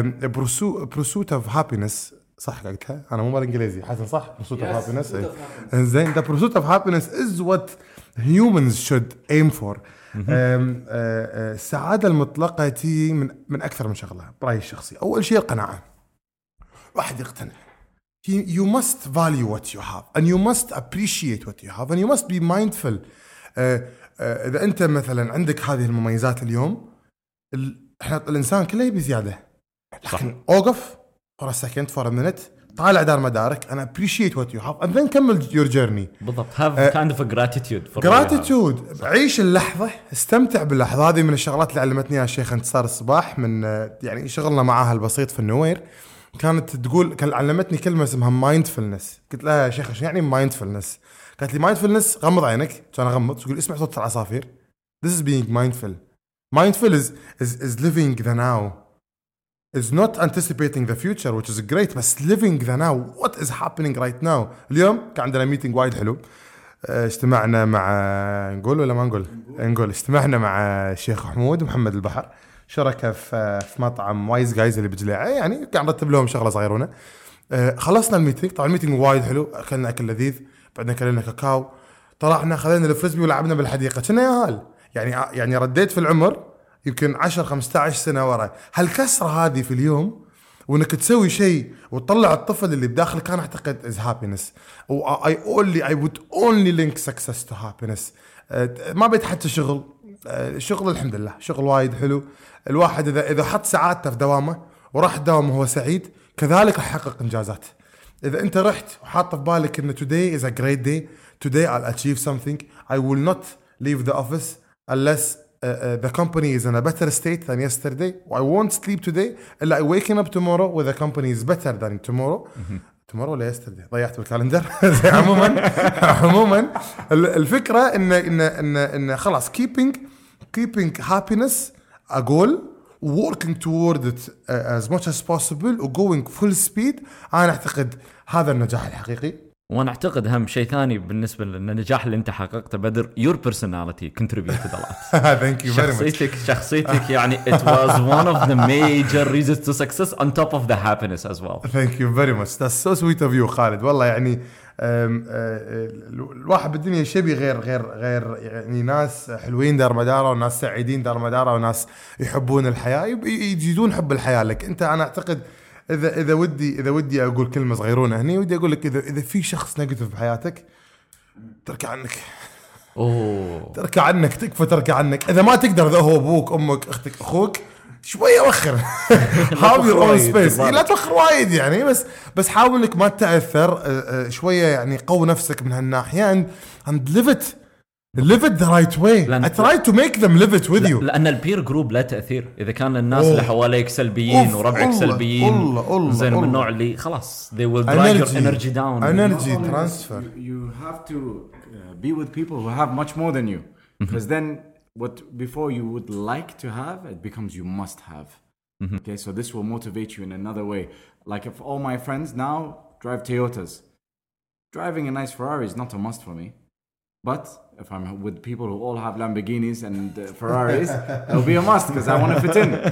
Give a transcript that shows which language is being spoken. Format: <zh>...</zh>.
<en>pursuit of happiness,</en> <ar>صح قلتها انا مو بالانجليزي حسن صح؟ بروسوت اوف هابينس.</ar> <en>زين، the pursuit of happiness is what humans should aim for.</en> <ar>السعاده المطلقه تي من اكثر من شغله برايي الشخصي. اول شيء القناعه، واحد يقتنع.</ar> <en>You must value what you have and you must appreciate what you have and you must be mindful.</en> <ar>إذا أنت مثلا عندك هذه المميزات اليوم، الإنسان كله يبي زيادة، لكن صح. أوقف</ar> <en>for a second for a minute،</en> <ar>طالع دار مدارك</ar> <en>and appreciate what you have and then</en> <ar>كمل</ar> <en>your journey. بالضبط. Have kind of a gratitude for gratitude.</en> <ar>عيش اللحظة، استمتع باللحظة. هذه من الشغلات اللي علمتني يا شيخ انتصار الصباح، من يعني شغلنا معها البسيط في النوير، كانت تقول، علمتني كلمة اسمها mindfulness. قلت لها يا شيخ شو يعني mindfulness؟ قالت لي mindfulness غمض عينك، كان أغمض، تقول اسمع صوت العصافير.</ar> <en>This is being mindful. Mindful is living the now. It's not anticipating the future, which is great, but living the now. What is happening right now?</en> <ar>اليوم كان عندنا meeting وايد حلو، اجتمعنا مع، نقول ولا ما نقول؟ نقول. اجتمعنا مع الشيخ حمود محمد البحر، شركة في مطعم وايز جايز اللي بجليعة، يعني قاعد رتب لهم شغلة صغيرونة. خلصنا الميتينج، طبعا الميتينج وايد حلو، أكلنا أكل لذيذ، بعدنا أكلنا كاكاو، طلعنا خذينا الفريسبي ولعبنا بالحديقة. شنا يا هال، يعني رديت في العمر يمكن 10-15 سنة ورا. هالكسرة هذه في اليوم، وإنك تسوي شيء وتطلع الطفل اللي بداخلك، كان أعتقد</ar> <en>is happiness. I only I would only link success to happiness.</en> <ar>ما بيتحدث شغل، شغل الحمد لله شغل وايد حلو. الواحد إذا حط سعادته في دوامه وراح دوامه هو سعيد، كذلك راح يحقق إنجازات. إذا أنت رحت وحاط في بالك إن</ar> <en>today is a great day, today I'll achieve something, I will not leave the office unless the company is in a better state than yesterday, I won't sleep today إلا I waking up tomorrow with the company is better than tomorrow.</en> <ar>تمر ولا يستدي، ضيعت بالكالندر. عموما الفكره ان ان ان ان خلاص</ar> <en>keeping happiness a goal, working toward it as much as possible and going full speed.</en> <ar>انا اعتقد هذا النجاح الحقيقي. وانا اعتقد اهم شيء ثاني بالنسبه للنجاح اللي انت حققته بدر،</ar> <en>your personality contributed a lot. Thank you very much.</en> <ar>شخصيتك يعني</ar> <en>it was one of the major reasons to success on top of the happiness as well. Thank you very much. That's so sweet of you خالد.</en> <ar>والله يعني الواحد بالدنيا شبي غير غير غير يعني ناس حلوين دار مدارة وناس سعيدين دار مدارة وناس يحبون الحياة يجدون حب الحياة لك أنت. أنا أعتقد إذا ودي أقول كلمة صغيرونة هني ودي أقول لك إذا في شخص نيجاتيف في حياتك تركع عنك. أوه. تركع عنك تكفى تركع عنك. إذا ما تقدر إذا هو أبوك أمك أختك أخوك شوية أخر</ar> <en>have your own space.</en> <ar>لا تأخر وايد يعني بس حاول إنك ما تتأثر شوية يعني قوي نفسك من هالناحية</ar> <en>and live it the right way. I try to make them live it with you.</en> <ar>لأن البير جروب لا تأثير إذا كان الناس اللي حواليك سلبيين وربعك سلبيين زين من النوع اللي خلاص</ar> <en>they will drag energy. Your energy down energy transfer. You have to be with people who have much more than you because then what before you would like to have it becomes you must have. Mm-hmm. Okay, so this will motivate you in another way. Like if all my friends now drive Toyotas, driving a nice Ferrari is not a must for me, but if I'm with people who all have Lamborghinis and Ferraris, it'll be a must because I want to fit in.</en>